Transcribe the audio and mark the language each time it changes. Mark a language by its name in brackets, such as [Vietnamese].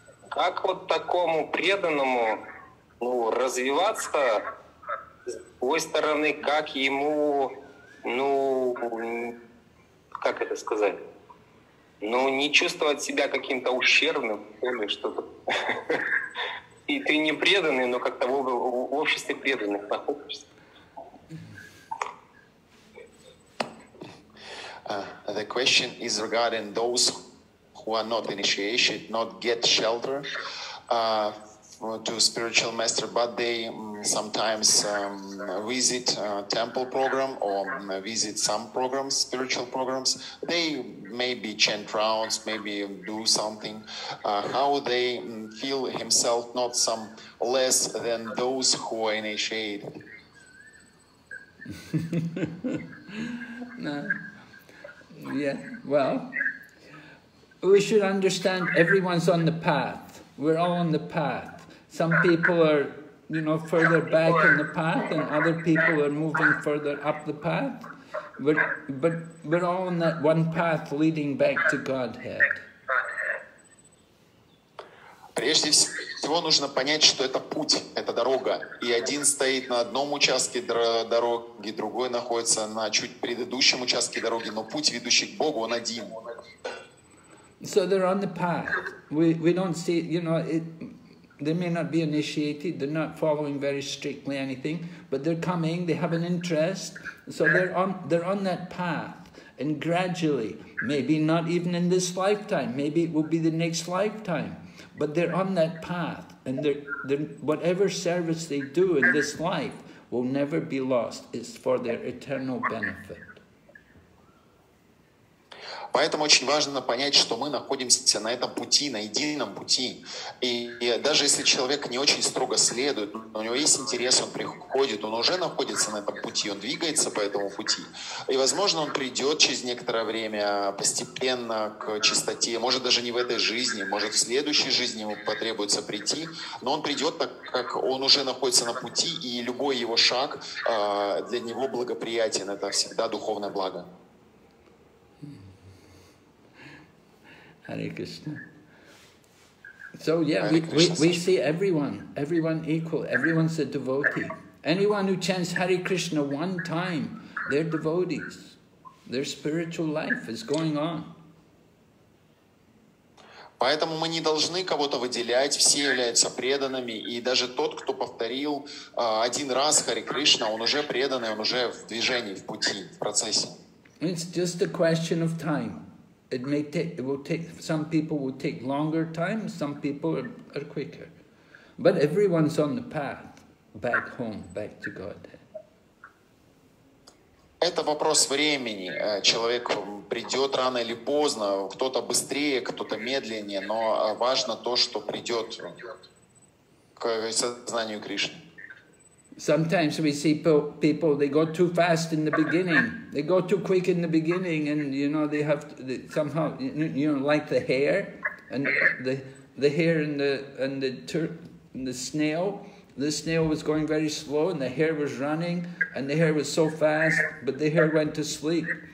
[Russian] Как вот такому преданному, ну, развиваться с другой стороны, как ему, ну, как это сказать, ну, не чувствовать себя каким-то ущербным, или что-то. И ты не преданный, но как-то в обществе преданных находишься. [English] The question is regarding those who are not initiated, not get shelter to spiritual master, but they sometimes visit temple program or visit some programs, spiritual programs. They maybe chant rounds, maybe do something. How they feel himself not some less than those who are initiated? No. Yeah, well, we should understand everyone's on the path. We're all on the path. Some people are, you know, further back in the path, and other people are moving further up the path. But we're all on that one path leading back to Godhead. [Russian] Прежде всего нужно понять, что это путь, это дорога. И один стоит на одном участке дороги, другой находится на чуть предыдущем участке дороги, но путь, ведущий к Богу, он один. [English] So they're on the path. We don't see, you know, they may not be initiated, they're not following very strictly anything, but they're coming, they have an interest. So they're on that path. And gradually, maybe not even in this lifetime, maybe it will be the next lifetime. But they're on that path, and they're whatever service they do in this life will never be lost. It's for their eternal benefit. [Russian] Поэтому очень важно понять, что мы находимся на этом пути, на едином пути. И даже если человек не очень строго следует, но у него есть интерес, он приходит, он уже находится на этом пути, он двигается по этому пути. И, возможно, он придет через некоторое время постепенно к чистоте. Может, даже не в этой жизни, может, в следующей жизни ему потребуется прийти. Но он придет, так как он уже находится на пути, и любой его шаг для него благоприятен. Это всегда духовное благо. [English] Hare Krishna. So yeah, we see everyone equal, everyone's a devotee. Anyone who chants Hare Krishna one time, they're devotees. Their spiritual life is going on. [Russian] Поэтому мы не должны кого-то выделять, все являются преданными, и даже тот, кто повторил один раз Хари Кришна, он уже преданный, он уже в движении, в пути, в процессе. [English] It's just a question of time. It may take, it will take, some people will take longer time, some people are quicker. But everyone's on the path back home, back to Godhead. [Russian] Это вопрос времени. Человек придет рано или поздно, кто-то быстрее, кто-то медленнее, но важно то, что придет к сознанию Кришны. [English] Sometimes we see people, they go too fast in the beginning. They go too quick in the beginning and, you know, they have to, they somehow, you know, like the hare and the hare and the snail. The snail was going very slow and the hare was running and the hare was so fast, but the hare went to sleep.